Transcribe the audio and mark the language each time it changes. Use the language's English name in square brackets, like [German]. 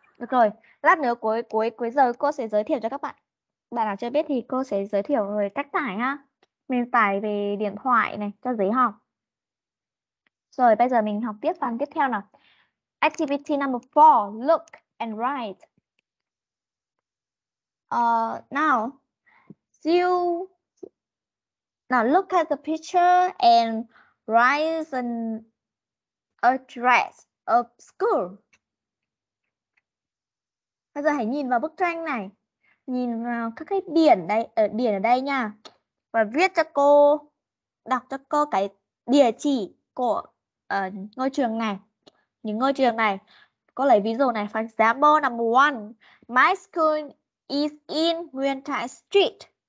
[Vietnamese] Được rồi, lát nữa cuối giờ cô sẽ giới thiệu cho các bạn. Bạn nào chưa biết thì cô sẽ giới thiệu về cách tải ha. Mình tải về điện thoại này cho dễ học. Rồi bây giờ mình học tiếp phần tiếp theo nào. [English] Activity number 4, look and write. Now look at the picture and write an address of school. [Vietnamese] Bây giờ hãy nhìn vào bức tranh này. Nhìn vào các cái biển ở đây nha. Và viết cho cô, đọc cho cô cái địa chỉ của ngôi trường này. Những ngôi trường này. Cô lấy ví dụ này, [English] for example number 1, my school is in Nguyễn Trãi Street.